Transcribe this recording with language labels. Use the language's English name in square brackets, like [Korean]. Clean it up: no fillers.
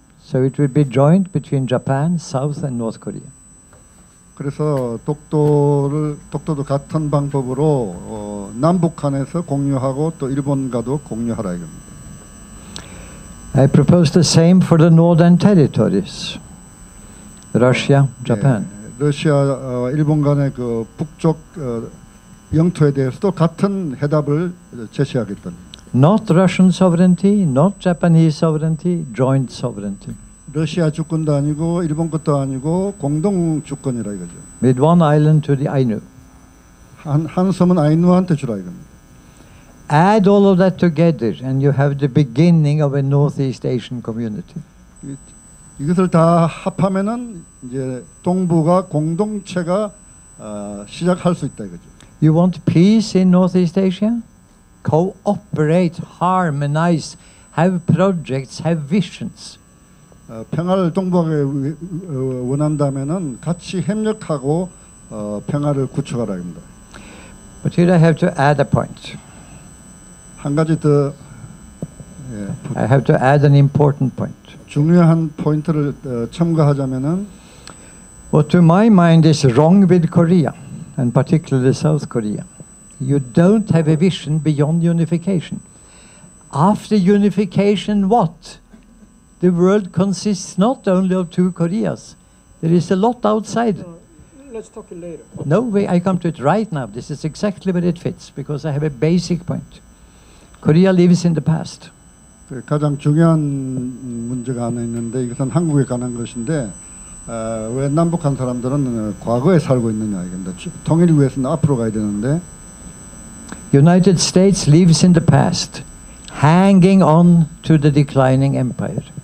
[English] So it would be joint between Japan, South and North Korea. [Korean] 그래서 독도를 독도도 같은 방법으로 남북한에서 공유하고 또 일본과도 공유하라 이겁니다. [English] I propose the same for the northern territories. Russia, Japan. [Korean] 네, 러시아, 일본 간의 그 북쪽 영토에 대해서도 같은 해답을 제시하겠다. [English] Not Russian sovereignty, not Japanese sovereignty, joint sovereignty. [Korean] 러시아 주권도 아니고 일본 것도 아니고 공동 주권이라 이거죠. [English] With one island to the Ainu. [Korean] 한 섬은 아이누한테 주라 이겁니다. [English] Add all of that together and you have the beginning of a Northeast Asian community. [Korean] 이것을 다 합하면은 이제 동북아 공동체가 시작할 수 있다 이거죠. [English] You want peace in Northeast Asia? Cooperate, harmonize, have projects, have visions. [Korean] 평화를 동북아에 원한다면은 같이 협력하고 평화를 구축하라 합니다. [English] But here I have to add a point. [Korean] 한 가지 더. [English] I have to add an important point. [Korean] 중요한 포인트를 첨가하자면은. [English] What to my mind is wrong with Korea, and particularly South Korea. You don't have a vision beyond unification. After unification, what? The world consists not only of two Koreas. There is a lot outside. Let's talk it later. No way, I come to it right now. This is exactly where it fits, because I have a basic point. Korea lives in the past. [Korean] 가장 중요한 문제가 하나 있는데 이것은 한국에 관한 것인데 왜 남북한 사람들은 과거에 살고 있느냐 이건데 통일을 위해서는 앞으로 가야 되는데 [English] United States lives in the past, hanging on to the declining empire.